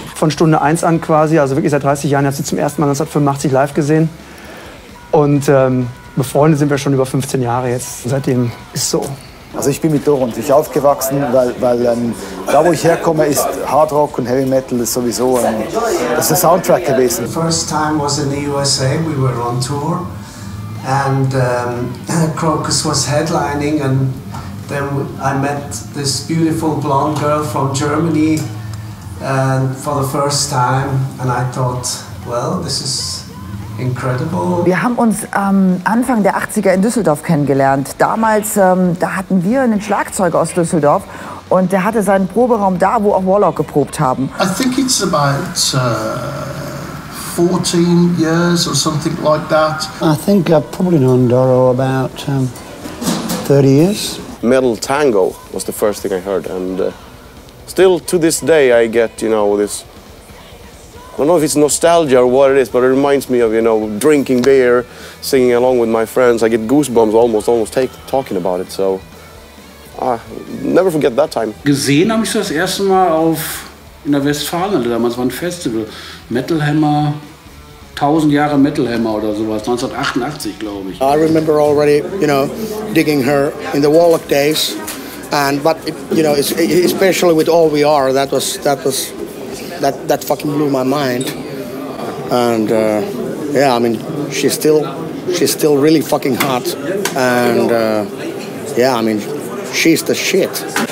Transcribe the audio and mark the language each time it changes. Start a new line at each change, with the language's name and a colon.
German: Von Stunde 1 an quasi, also wirklich seit 30 Jahren, habe sie zum ersten Mal 1985 live gesehen. Und befreundet sind wir schon über 15 Jahre jetzt. Seitdem ist so. Also ich bin mit Doro natürlich aufgewachsen, weil da, wo ich herkomme, ist Hard Rock und Heavy Metal sowieso das ist der Soundtrack gewesen.
English: The first time was in the USA, we were on tour. And Crocus was headlining and then I met this beautiful blonde girl from Germany for the first time and I thought, well, this is incredible.
German: Wir haben uns Anfang der 80er in Düsseldorf kennengelernt. Damals, da hatten wir einen Schlagzeuger aus Düsseldorf und der hatte seinen Proberaum da, wo auch Warlock geprobt haben.
English: I think it's about 14 years or something like that. I think I've probably known Doro about 30 years. Metal Tango was the first thing I heard, and still to this day I get, you know, this, I don't know if it's nostalgia or what it is, but it reminds me of, you know, drinking beer, singing along with my friends. I get goosebumps almost talking about it, so never forget that time.
German: Gesehen habe ich das erste Mal in der Westfalenhalle, damals war ein Festival, Metal Hammer, 1000 Jahre Metal Hammer oder sowas, 1988, glaube ich.
English: I remember already, you know, digging her in the Warlock days, especially with All We Are, that fucking blew my mind. And she's still really fucking hot, and she's the shit.